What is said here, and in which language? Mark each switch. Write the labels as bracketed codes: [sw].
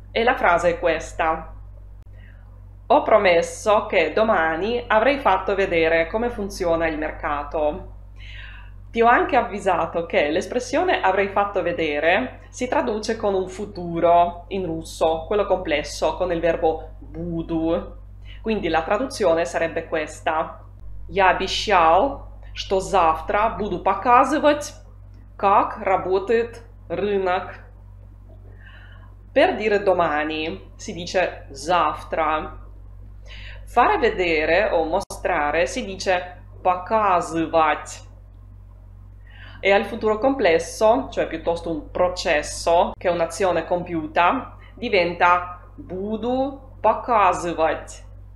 [it] E la frase è questa. Ho promesso che domani avrei fatto vedere come funziona il mercato. Ti ho anche avvisato che l'espressione avrei fatto vedere si traduce con un futuro in russo, quello complesso, con il verbo буду. Quindi la traduzione sarebbe questa. [ru] Я обещал, что завтра буду показывать, как работает рынок. [it] Per dire domani si dice завтра. Fare vedere o mostrare si dice показывать. E al futuro complesso, cioè piuttosto un processo che un'azione compiuta, diventa [ru] буду показывать.